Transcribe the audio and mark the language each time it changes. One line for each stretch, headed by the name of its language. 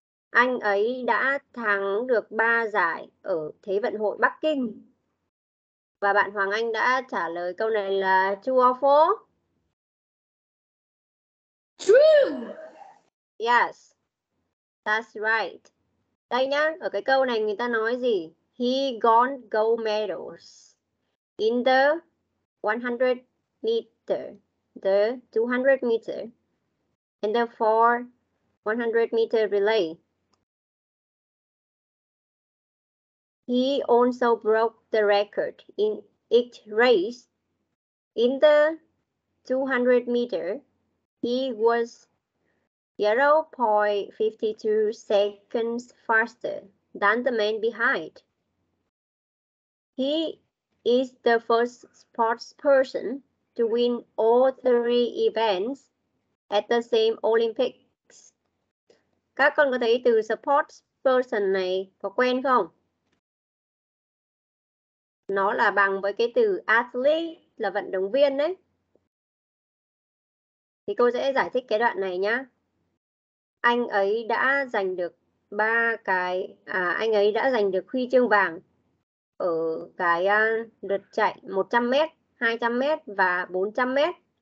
Vietnamese: Anh ấy đã thắng được 3 giải ở Thế vận hội Bắc Kinh. Và bạn Hoàng Anh đã trả lời câu này là
English: true or false? True! Yes, that's right.
Vietnamese: Đây nhá, ở cái câu này người ta nói gì?
English: He won gold medals in the 100 meter, the 200 meter, and the 400 meter relay. He also broke the record in each race. In the 200 meter, he was 0.52 seconds faster than the man behind. He is the first sports person to win all three events at the same Olympics.
Vietnamese: Các con có thấy từ sports person này có quen không? Nó là bằng với cái từ athlete là vận động viên đấy. Thì cô sẽ giải thích cái đoạn này nhá. Anh ấy đã giành được ba cái, anh ấy đã giành được huy chương vàng ở cái lượt chạy 100m, 200m và 400m.